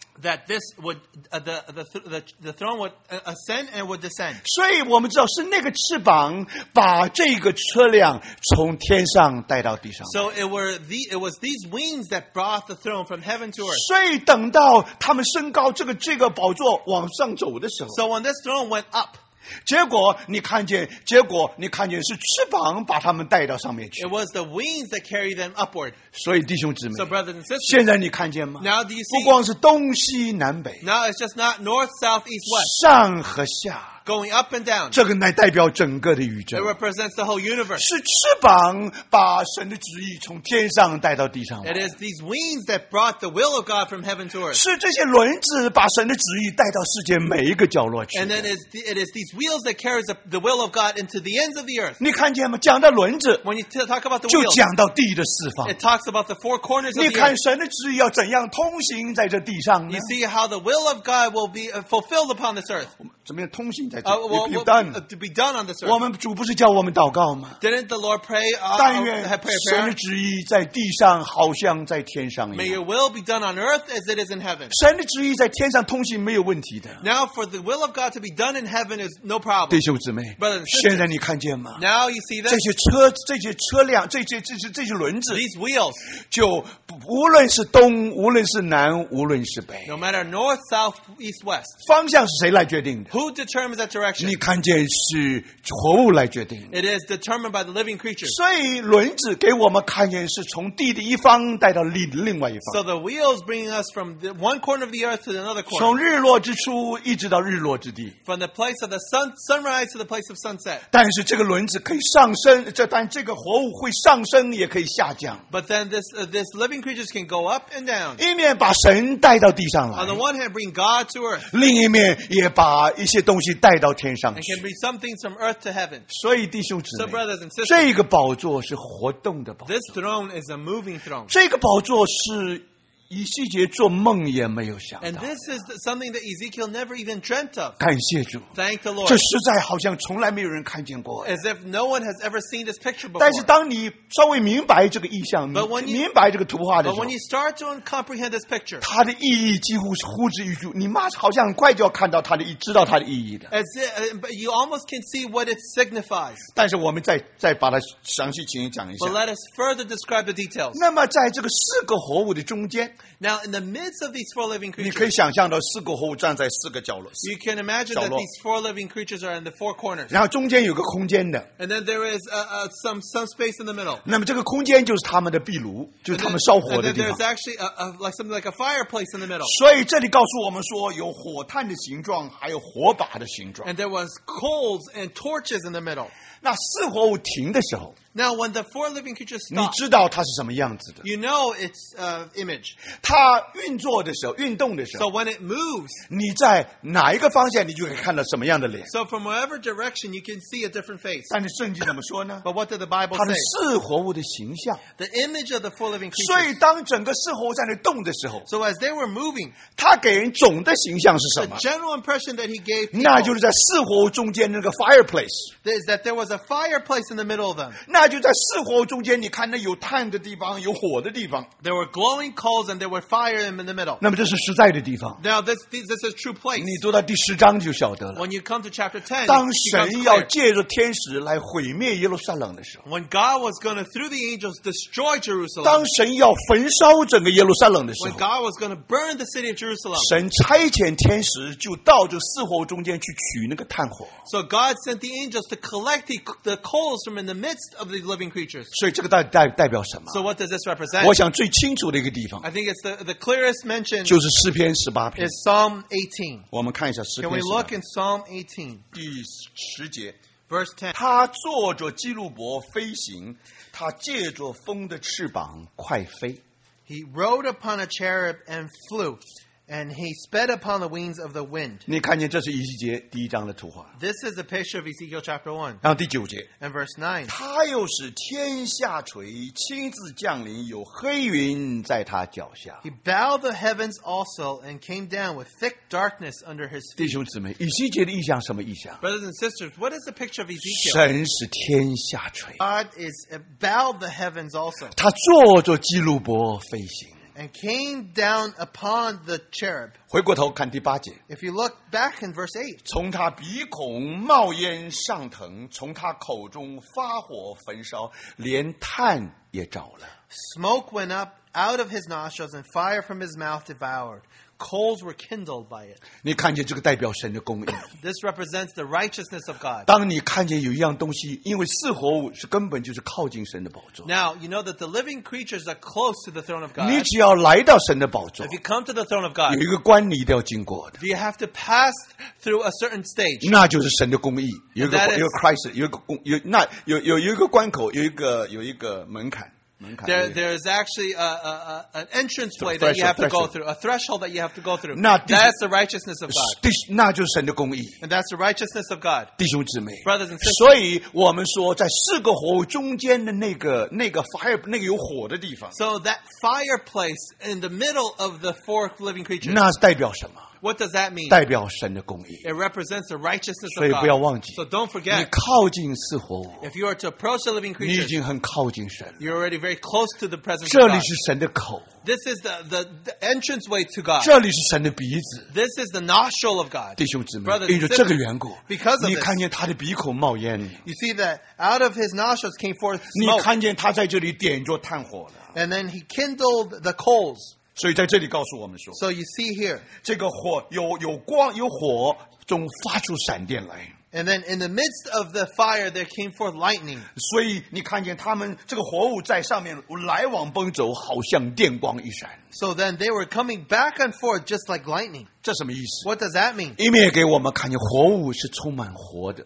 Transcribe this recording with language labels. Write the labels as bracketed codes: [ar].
[en] That this would, the throne would ascend and would descend. [zh] 所以我们知道是那个翅膀把这个车辆从天上带到地上。 [en] So it was these wings that brought the throne from heaven to earth. [zh] 所以等到他们升高这个宝座往上走的时候。 [en] So when this throne went up. [zh] 结果你看见是翅膀把他们带到上面去。 [en] It was the wings that carried them upward. [zh] 所以弟兄姊妹 [en] So brothers and sisters, [zh] 现在你看见吗 [en] Now do you see? [zh] 不光是东西南北 [en] Now it's just not north, south, east, west. [zh] 上和下 [en] Going up and down. [zh] 这个乃代表整个的宇宙。 [en] It represents the whole universe. [zh] 是翅膀把神的旨意从天上带到地上。 [en] It is these wings that brought the will of God from heaven to earth. [zh] 是这些轮子把神的旨意带到世界每一个角落去。 [en] And then it is these wheels that carries the will of God into the ends of the earth. [zh] 你看见吗？讲到轮子。 [en] When you talk about the wheels. [zh] 就讲到地的四方。 [en] It talks about the four corners of the earth. [zh] 你看神的旨意要怎样通行在这地上呢 [en] You see how the will of God will be fulfilled upon this earth. [zh] 怎么样通行 [en] To be done on this earth. [zh] 我们主不是叫我们祷告吗 [en] Didn't the Lord pray? [zh] 但愿神的旨意在地上好像在天上一样 [en] May your will be done on earth as it is in heaven. [zh] 神的旨意在天上通行没有问题的 [en] Now for the will of God to be done in heaven is no problem. [zh] 弟兄姊妹 [en] Brothers and sisters, [zh] 现在你看见吗 [en] Now you see this. [zh] 这些车辆这些轮子 [en] These wheels. [zh] 就无论是东无论是南无论是北 [en] No matter north, south, east, west. [zh] 方向是谁来决定的 [en] Who determines that? [zh] 你看见是活物来决定。 [en] It is determined by the living creatures. [zh] 所以轮子给我们看见是从地的一方带到另外一方。 [en] So the wheels bring us from the one corner of the earth to another corner. [zh] 从日落之初一直到日落之地。 [en] From the place of the sunrise to the place of sunset. [zh] 但是这个轮子可以上升，但这个活物会上升也可以下降。 [en] But then this living creatures can go up and down. [zh] 一面把神带到地上来。 [en] On the one hand, bring God to earth. [zh] 另一面也把一些东西带到天上 [en] 去 and can be some things from earth to heaven. [zh] 所以弟兄姊妹 [en] so brothers and sisters, [zh] 这个宝座是活动的宝座 [en] This throne is a moving throne. [zh] 这个宝座是以西结做梦也没有想到 [en] And this is something that Ezekiel never even dreamt of. [zh] 感谢主 [en] Thank the Lord. [zh] 这实在好像从来没有人看见过 [en] As if no one has ever seen this picture before. [zh] 但是当你稍微明白这个意象 明白这个图画的时候 [en] But when you start to comprehend this picture, [zh] 它的意义几乎是呼之欲出你马上好像很快就要看到它的意义知道它的意义的 [en] But you almost can see what it signifies. [zh] 但是我们再把它详细请你讲一下 [en] But let us further describe the details. [zh] 那么在这个四个活物的中间 [en] Now, in the midst of these four living creatures, [zh] 你可以想象到四个活物站在四个角落。 [en] You can imagine that these four living creatures are in the four corners. [zh] 然后中间有个空间的。 [en] And then there is some space in the middle. [zh] 那么这个空间就是他们的壁炉，就是他们烧火的地方。 [en] And then there's actually like something like a fireplace in the middle. [zh] 所以这里告诉我们说有火炭的形状，还有火把的形状。 [en] And there was coals and torches in the middle. [zh] 那四活物停的时候。 [en] Now, when the four living creatures stop, [zh] 你知道它是什么样子的 [en] You know its image. [zh] 它运作的时候，运动的时候 [en] So when it moves, [zh] 你在哪一个方向，你就可以看到什么样的脸 [en] So from whatever direction, you can see a different face. [zh] 但是圣经怎么说呢 [en] But what did the Bible say? [zh] 它的四活物的形象 [en] The image of the four living creatures. [zh] 所以当整个四活物在那动的时候 [en] So as they were moving, [zh] 它给人总的形象是什么 [en] The general impression that he gave people, [zh] 那就是在四活物中间那个 fireplace. [en] Is that there was a fireplace in the middle of them. 那 [zh] 就在四火中间，你看那有炭的地方，有火的地方。 [en] There were glowing coals and there were fire in the middle. [zh] 那么这是实在的地方。 [en] Now this is a true place. [zh] 你读到第十章就晓得了。 [en] When you come to chapter 10, [zh] 当神要借着天使来毁灭耶路撒冷的时候。 [en] When God was going to, through the angels, destroy Jerusalem. [zh] 当神要焚烧整个耶路撒冷的时候。 [en] When God was going to burn the city of Jerusalem. [zh] 神差遣天使就到这四火中间去取那个炭火。 [en] So God sent the angels to collect the coals from in the midst of the living creatures. [zh] 所以这个代表什么？ [en] So what does this represent? [zh] 我想最清楚的一个地方。 [en] I think it's the clearest mention. [zh] 就是诗篇十八篇。 [en] Is Psalm 18. [zh] 我们看一下诗篇。 [en] Can we look in Psalm 18? [zh] 第十节。 [en] Verse 10. [zh] 他坐着基路伯飞行，他借着风的翅膀快飞。 [en] He rode upon a cherub and flew. And he sped upon the wings of the wind. [zh] 你看见这是以西结第一章的图画。 [en] This is a picture of Ezekiel chapter 1. [zh] 然后第九节。 [en] And verse 9. [zh] 他又使天下垂，亲自降临，有黑云在他脚下。 [en] He bowed the heavens also and came down with thick darkness under his feet. [zh] 弟兄姊妹，以西结的意象什么意象？ [en] Brothers and sisters, what is the picture of Ezekiel? [zh] 神使天下垂。 [en] God is bowed the heavens also. [zh] 他坐着基路伯飞行。 [en] And came down upon the cherub. [zh] 回过头看第八节。 [en] If you look back in verse 8. [zh] 从他鼻孔冒烟上腾，从他口中发火焚烧，连炭也着了。 [en] Smoke went up out of his nostrils and fire from his mouth devoured. Coals were kindled by it. [zh] 你看见这个代表神的公义。 [en] This represents the righteousness of God. [zh] 当你看见有一样东西，因为四活物是根本就是靠近神的宝座。 [en] Now, you know that the living creatures are close to the throne of God. [zh] 你只要来到神的宝座。 [en] If you come to the throne of God. [zh] 有一个关你一定要经过的。 [en] You have to pass through a certain stage. [zh] 那就是神的公义。有一个 crisis, 有一个关口，有一个门槛。 [en] There is actually an entrance way that you have to go through, a threshold that you have to go through. 那 that's the righteousness of God. [zh] 那就是神的公义。 [en] And that's the righteousness of God. [zh] 弟兄姊妹。 [en] Brothers and sisters. [zh] 所以我们说在四个火中间的那个 fire, 那个有火的地方。 [en] So that fireplace in the middle of the four living creatures. [zh] 那代表什么？ [en] What does that mean? [zh] 代表神的公义。 [en] It represents the righteousness of God. [zh] 所以不要忘记。 [en] So don't forget. [zh] 你靠近四活物。 [en] If you are to approach the living creatures. [zh] 你已经很靠近神了。 [en] You're already very close to the presence of God. [zh] 这里是神的口。 [en] This is the entrance way to God. [zh] 这里是神的鼻子。 [en] This is the nostril of God. [zh] 弟兄姊妹。 [en] Brothers and sisters. [zh] 因为这个缘故。 [en] Because of this. [zh] 你看见他的鼻孔冒烟。 [en] You see that out of his nostrils came forth smoke. [zh] 你看见他在这里点着炭火了。 [en] And then he kindled the coals. [zh] 所以在这里告诉我们说 [en] So you see here [zh] 这个火有光有火中发出闪电来 [en] And then in the midst of the fire there came forth lightning [zh] 所以你看见他们这个火物在上面来往奔走好像电光一闪 [en] So then they were coming back and forth just like lightning [zh] 这什么意思 [en] What does that mean? [zh] 一面给我们看见火物是充满活的